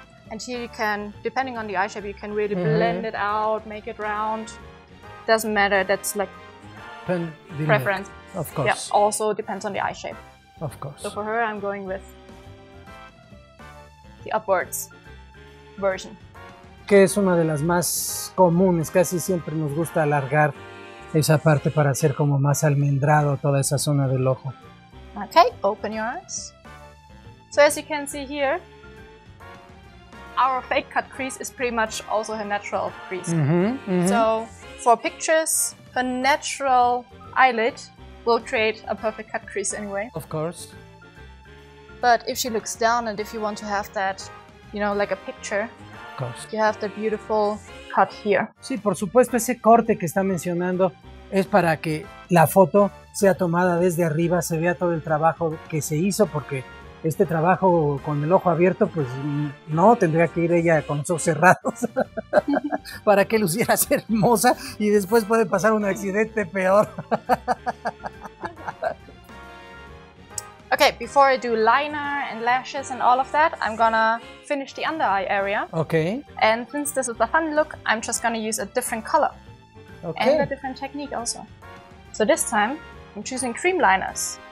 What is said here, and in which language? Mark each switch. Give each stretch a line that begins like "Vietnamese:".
English: And here you can, depending on the eye shape, you can really blend it out, make it round. Doesn't matter, that's like preference. Of course. Yeah, also depends on the eye shape. Of course. So for her, I'm going with the upwards version.
Spanish: Que es una de las más comunes, casi siempre nos gusta alargar esa parte para hacer como más almendrado toda esa zona del ojo.
English: Okay, open your eyes. So as you can see here, our fake cut crease is pretty much also her natural crease. So for pictures, her natural eyelid will create a perfect cut crease anyway. Of course. But if she looks down and if you want to have that, you know, like a picture, you have the beautiful cut here.
Spanish: Sí, por supuesto, ese corte que está mencionando es para que la foto sea tomada desde arriba, se vea todo el trabajo que se hizo, porque este trabajo con el ojo abierto, pues no, tendría que ir ella con los ojos cerrados para que luciera ser hermosa y después puede pasar un accidente peor.
English: Okay, before I do liner and lashes and all of that, I'm gonna finish the under eye area. Okay. And since this is a fun look, I'm just gonna use a different color. Okay. And a different technique also. So this time, I'm choosing cream liners.